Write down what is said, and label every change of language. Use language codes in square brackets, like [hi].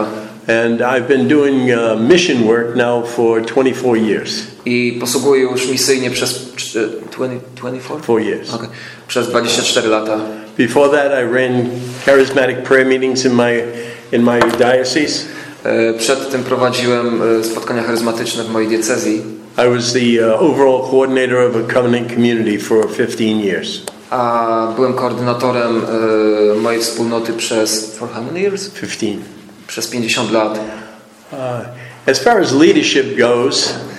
[en] And I've been doing mission work now for 24 years. [pl] I posługuję już misyjnie przez 24 [en] years. [pl] Okay. Przez 24 lata. [en] Before that I ran charismatic prayer meetings in my diocese. [pl] Przed tym prowadziłem spotkania charyzmatyczne w mojej diecezji. [en] I was the overall coordinator of a covenant community for 15 years. [pl] A byłem koordynatorem mojej wspólnoty przez [en] for how many years? 15. [pl] Przez 50 lat. [en] As far as leadership goes,